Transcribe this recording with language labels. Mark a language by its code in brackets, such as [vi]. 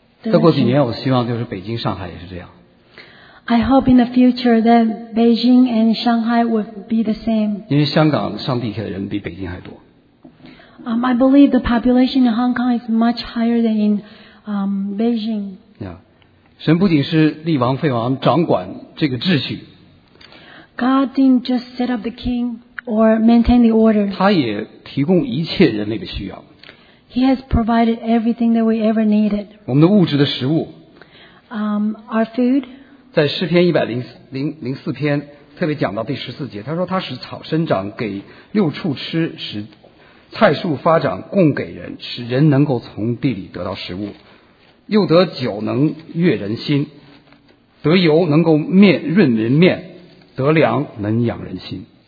[zh] 再过几年，我希望就是北京、上海也是这样。 [en] I hope in the future that Beijing and Shanghai would be the same. [zh] 因为香港上地铁的人比北京还多。 [en] I believe the population in Hong Kong is much higher than in Beijing. Yeah. [zh] 神不仅是立王废王，掌管这个秩序。 [en] God didn't just set up the king or maintain the order. [zh] 他也提供一切人类的需要。 [en] He has provided everything that we ever needed. [zh] 我们的物质的食物。 [en] Our food. [zh] 在诗篇104篇特别讲到第14节，他说他使草生长给六畜吃，使菜树发长供给人，使人能够从地里得到食物，又得酒能悦人心，得油能够面润人面，得粮能养人心。